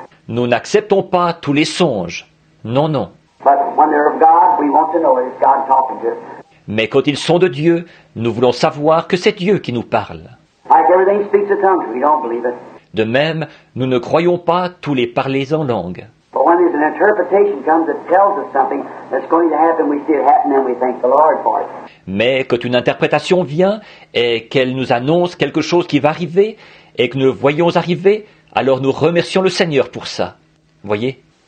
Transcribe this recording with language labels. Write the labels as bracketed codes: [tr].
[fr] Nous n'acceptons pas tous les songes. Non, non. [en] But when they're of God, we want to know it's God talking to us. [fr] Mais quand ils sont de Dieu, nous voulons savoir que c'est Dieu qui nous parle. [en] Like everything speaks in tongues, we don't believe it. [fr] De même, nous ne croyons pas tous les parlers en langue. [en] But when there's an interpretation comes that tells us something that's going to happen, we see it happen and we thank the Lord for it. [fr] Mais quand une interprétation vient et qu'elle nous annonce quelque chose qui va arriver et que nous le voyons arriver, alors nous remercions le Seigneur pour ça. Voyez?